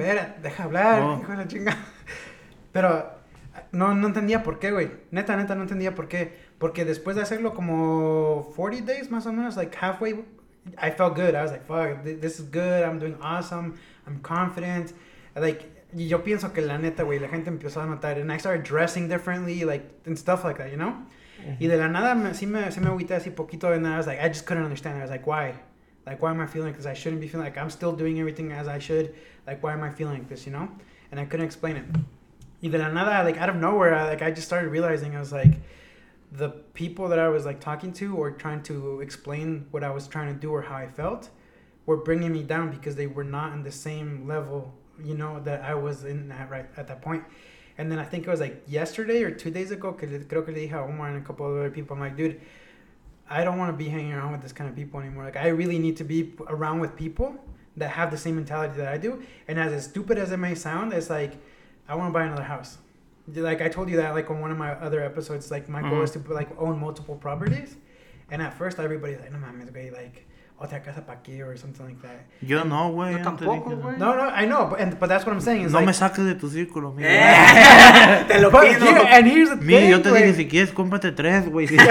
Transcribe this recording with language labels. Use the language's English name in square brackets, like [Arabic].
[Spanish] Espera, deja hablar, hijo de la chinga. Pero no entendía por qué, güey. Neta, no entendía por qué. Porque después de hacerlo como [English] 40 days, [Spanish] más o menos, [English] like, halfway, I felt good. I was like, fuck, this is good. I'm doing awesome. I'm confident. Like... [Spanish] Y yo pienso que la neta, güey, la gente empezó a notar. [English] And I started dressing differently, like, and stuff like that, you know? [Spanish] Uh-huh. Y de la nada, sí me agüité así poquito. [English] And then I was like, I just couldn't understand. I was like, why? Like, why am I feeling like this? I shouldn't be feeling like I'm still doing everything as I should. Like, why am I feeling like this, you know? And I couldn't explain it. [Spanish] Y de la nada, [English] like, out of nowhere, I just started realizing. I was like, the people that I was, like, talking to or trying to explain what I was trying to do or how I felt were bringing me down because they were not in the same level, you know, that I was in that right at that point. And then I think it was like yesterday or 2 days ago, [Spanish] creo que le dije a Omar [English] and a couple of other people, I'm like, dude, I don't want to be hanging around with this kind of people anymore. Like, I really need to be around with people that have the same mentality that I do. And as stupid as it may sound, it's like, I want to buy another house. Like, I told you that, like, on one of my other episodes, like, my goal is to, like, own multiple properties. And at first, everybody's like, [Spanish] no mames, güey, like, otra casa pa' aquí, [English] or something like that. [Spanish] Yo no, güey. Yo tampoco, güey. [English] No, I know, but that's what I'm saying. [Spanish] No, like, me saques de tu círculo, mira. Te lo pido. [English] Here, and here's the thing, [Spanish] yo te dije, si quieres, cómprate 3, güey.